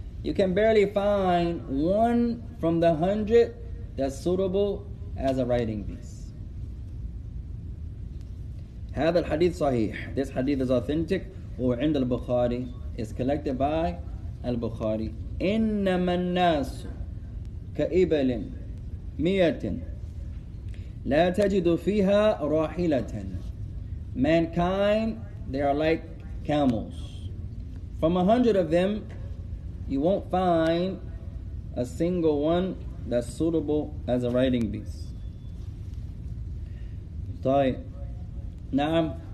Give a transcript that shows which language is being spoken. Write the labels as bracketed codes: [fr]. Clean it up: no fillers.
[en] You can barely find one from the 100 that's suitable as a riding beast. [ar] هذا الحديث صحيح. [en] This hadith is authentic. [ar] وعند البخاري [en] is collected by البخاري. [ar] إنما الناس كإبل مئة لا تجد فيها راحلة. [en] mankind, they are like camels. From 100 of them, you won't find a single one that's suitable as a riding beast. [ar] طيب. نعم.